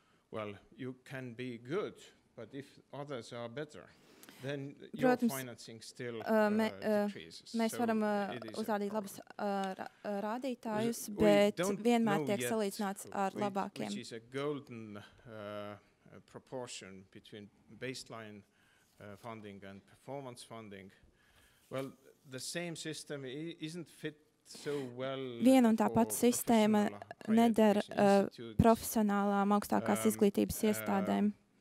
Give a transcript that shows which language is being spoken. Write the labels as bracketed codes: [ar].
[en] Well, you can be good, but if others are better. Then your [lv] Protams, [en] financing still [lv] mēs varam uzrādīt labus rādītājus, bet vienmēr tiek salīdzināts ar labākiem. [en] Which is a golden proportion between baseline funding and performance funding. Well, the same system isn't fit so well. [lv] Viena un tā pati sistēma neder profesionālām augstākās izglītības iestādēm.